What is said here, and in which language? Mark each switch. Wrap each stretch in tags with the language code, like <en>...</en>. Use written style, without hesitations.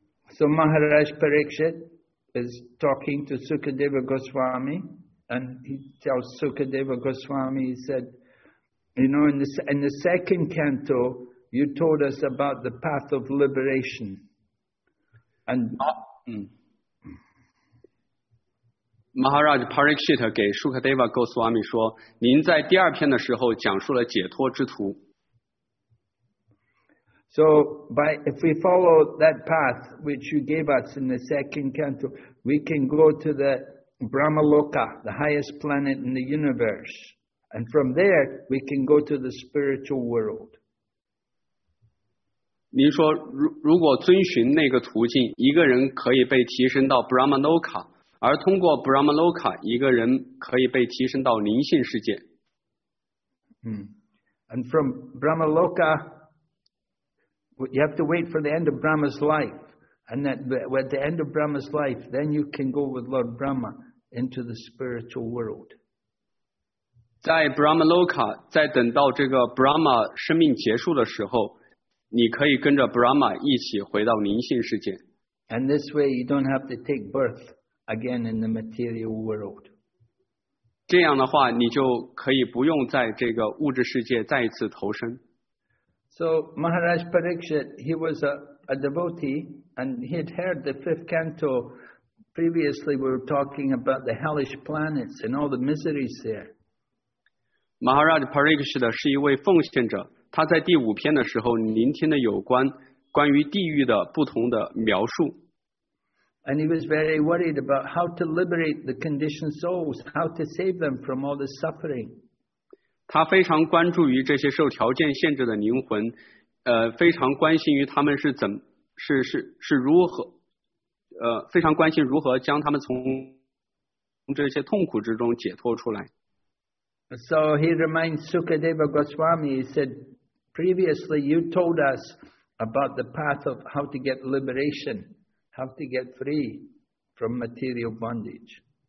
<en>So Maharaj Parikshit is talking to Sukadeva Goswami. And he tells Sukadeva Goswami, he said, you know, in the second canto, you told us about the path of liberation. And</en> <zh>Maharaj Parikshit 给 Sukadeva Goswami 说, 您在第二篇的时候讲述了解脱之途。</zh> <en>So, if we follow that path which you gave us in the second canto, we can go to the Brahmaloka, the highest planet in the universe. And from there, we can go to the spiritual world.</en> <zh>您说, 如果遵循那个途径, 一个人可以被提升到 Brahmaloka, 而通过 Brahmaloka, 一个人可以被提升到灵性世界。</zh> <en>And from Brahmaloka, you have to wait for the end of Brahma's life. And that, at the end of Brahma's life, then you can go with Lord Brahma into the spiritual world.</en> <zh>在 Brahmaloka, 在等到这个 Brahma 生命结束的时候，你可以跟着 Brahma 一起回到灵性世界。</zh> <en>And this way you don't have to take birth again in the material world.</en> <zh>这样的话，你就可以不用在这个物质世界再一次投生。</zh> <en>So Maharaj Parikshit, he was a devotee, and he had heard the fifth canto. Previously, we were talking about the hellish planets and all the miseries there.</en> <zh>Maharaj Parikshit 是一位奉献者，他在第五篇的时候聆听了有关于地狱的不同的描述。</zh> <en>And he was very worried about how to liberate the conditioned souls, how to save them from all the suffering.</en> <zh>他非常关注于这些受条件限制的灵魂，非常关心于他们是怎是如何。非常关心如何将他们从这些痛苦之中解脱出来。</zh> <en>So he reminds Sukadeva Goswami, he said, previously you told us about the path of how to get liberation, how to get free from material bondage.</en>